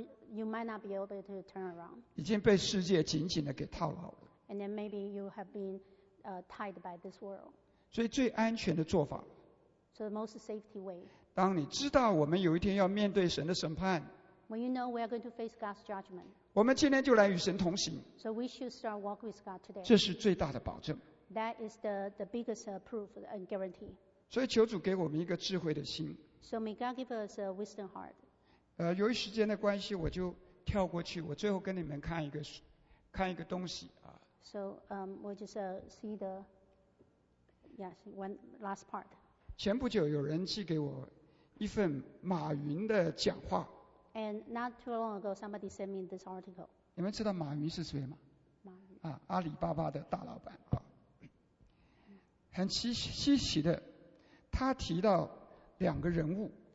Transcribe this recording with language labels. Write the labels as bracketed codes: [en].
[en] You might not be able to turn around. [zh] 已经被世界紧紧的给套牢了。 [en] And then maybe you have been tied by this world. [zh] 所以最安全的做法。 [en] So the most safety way. [zh] 当你知道我们有一天要面对神的审判。 [en] When you know we are going to face God's judgment. [zh] 我们今天就来与神同行。 [en] So we should start walking with God today. [zh] 这是最大的保证。 [en] That is the biggest proof and guarantee. [zh] 所以求主给我们一个智慧的心。 [en] So may God give us a wisdom heart. [zh] 由于时间的关系，我就跳过去。我最后跟你们看一个东西啊。 [en] So we'll just see the yes one last part. [zh] 前不久有人寄给我一份马云的讲话。 [en] And not too long ago, somebody sent me this article. [zh] 你们知道马云是谁吗？马云啊，阿里巴巴的大老板啊。很稀奇的，他提到两个人物。